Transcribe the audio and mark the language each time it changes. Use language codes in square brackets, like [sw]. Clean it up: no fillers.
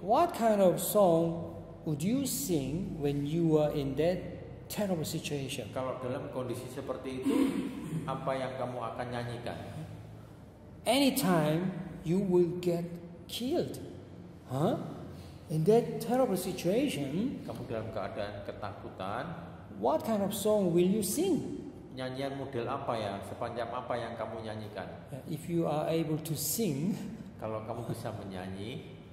[en] What kind of song would you sing when you are in that terrible situation? [id] Kalau dalam kondisi seperti itu, apa yang kamu akan nyanyikan? [en] Anytime you will get killed. Huh? In that terrible situation, [id] kamu dalam keadaan ketakutan, [en] what kind of song will you sing? [id] Nyanyian model apa ya? Sepanjang apa yang kamu nyanyikan? [en] If you are able to sing, [id] kalau kamu bisa menyanyi,